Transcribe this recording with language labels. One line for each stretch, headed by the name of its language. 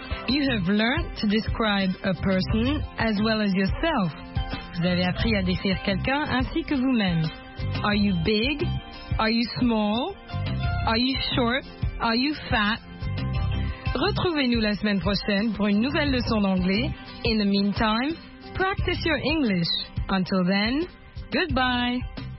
English: You have learned to describe a person as well as yourself.
French: Vous avez appris à décrire quelqu'un ainsi que vous-même.
English: Are you big? Are you small? Are you short? Are you fat?
French: Retrouvez-nous la semaine prochaine pour une nouvelle leçon d'anglais.
English: In the meantime, practice your English. Until then, goodbye.